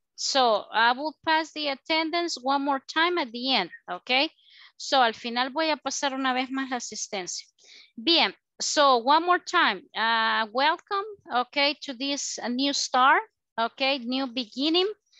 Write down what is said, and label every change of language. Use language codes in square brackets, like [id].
[en] So I will pass the attendance one more time at the end, okay? [es] So al final voy a pasar una vez más la asistencia. [en] Bien, so one more time. Welcome, okay, to this new start, okay, new beginning.